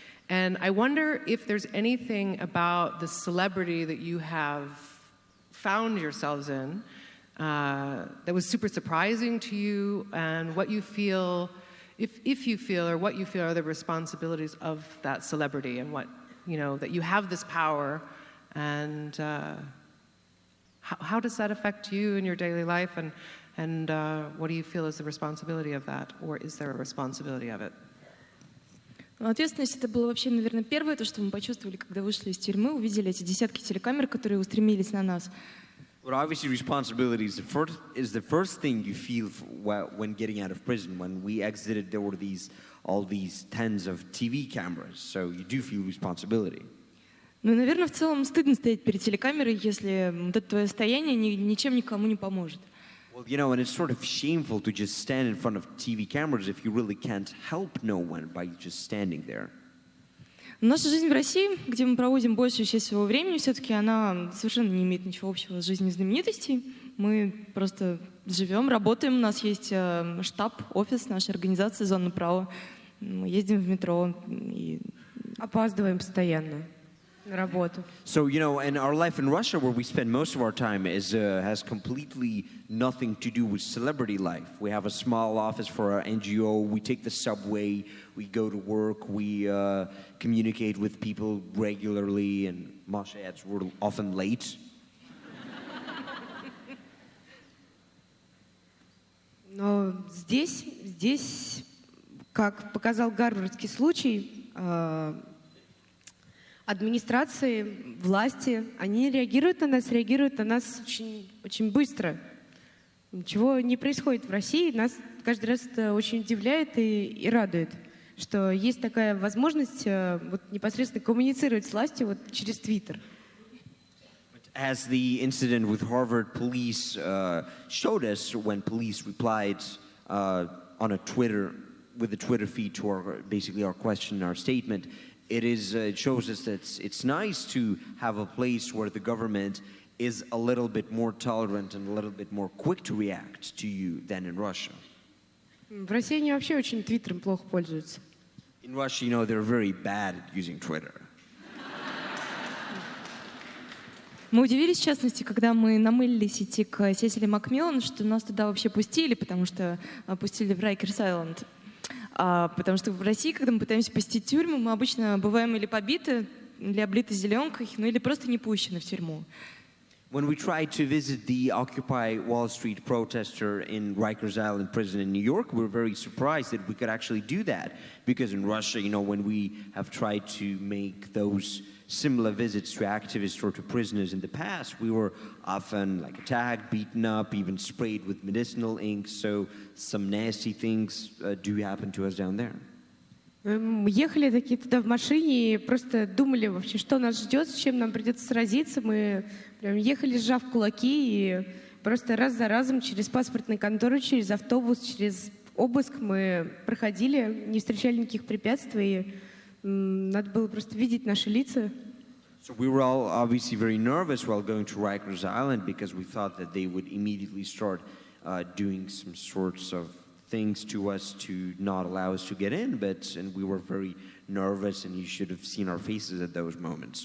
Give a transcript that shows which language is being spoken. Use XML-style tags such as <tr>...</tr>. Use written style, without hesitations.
<en>And I wonder if there's anything about the celebrity that you have found yourselves in that was super surprising to you, and what you feel, if you feel, or what you feel are the responsibilities of that celebrity, and what, you know, that you have this power, and how does that affect you in your daily life, And what do you feel is the responsibility of that, or is there a responsibility of it?</en> <ru>Ответственность — это было вообще, наверное, первое, то, что мы почувствовали, когда вышли из тюрьмы, увидели эти десятки телекамер, которые устремились на нас.</ru> <en>Well, obviously, responsibility is the first thing you feel when getting out of prison. When we exited, there were all these tens of TV cameras, so you do feel responsibility.</en> <ru>Ну, наверное, в целом стыдно стоять перед телекамерой, если вот это твое состояние ничем никому не поможет.</ru> <en>Well, you know, and it's sort of shameful to just stand in front of TV cameras if you really can't help no one by just standing there.</en> <ru>Наша жизнь в России, где мы проводим большую часть своего времени, все-таки она совершенно не имеет ничего общего с жизнью знаменитостей. Мы просто живем, работаем, у нас есть штаб, офис нашей организации «Зона права». Мы ездим в метро и опаздываем постоянно. Работу.</ru> <en>So, you know, and our life in Russia, where we spend most of our time, is has completely nothing to do with celebrity life. We have a small office for our NGO, we take the subway, we go to work, we communicate with people regularly, and Masha adds, we're often late.</en> <ru>Но здесь, как показал гарвардский случай, администрации, власти, они реагируют на нас очень, очень быстро. Ничего не происходит в России, нас каждый раз это очень удивляет и радует, что есть такая возможность вот, непосредственно коммуницировать с властью вот, через Twitter.</ru> <en>As the incident with Harvard police showed us when police replied on a Twitter, with a Twitter feed to our, basically our question, our statement, It shows us that it's nice to have a place where the government is a little bit more tolerant and a little bit more quick to react to you than in Russia.</en> <ru>В России они вообще очень Твиттером плохо пользуются.</ru> <en>In Russia, you know, they're very bad at using Twitter.</en> <ru>Мы удивились, в частности, когда мы намылились идти к Сесили Макмиллан, что нас туда вообще пустили, потому что пустили в Райкерс Айленд. Потому что в России, когда мы пытаемся посетить тюрьму, мы обычно бываем или побиты, или облиты зеленкой, ну или просто не пущены в тюрьму.</ru> <en>When we tried to visit the Occupy Wall Street protester in Rikers Island prison in New York, we were very surprised that we could actually do that. Because in Russia, you know, when we have tried to make those similar visits to activists or to prisoners in the past, we were often like attacked, beaten up, even sprayed with medicinal ink. So some nasty things do happen to us down there.</en> <ru>Мы ехали такие туда в машине и просто думали вообще, что нас ждет, с чем нам придется сразиться. Мы прям ехали, сжав кулаки, и просто раз за разом через паспортную контору, через автобус, через обыск мы проходили, не встречали никаких препятствий, и надо было просто видеть наши лица.</ru> <en>So we were all obviously very nervous while going to Rikers Island because we thought that they would immediately start doing some sorts of things to us to not allow us to get in, but and we were very nervous, and you should have seen our faces at those moments.</en>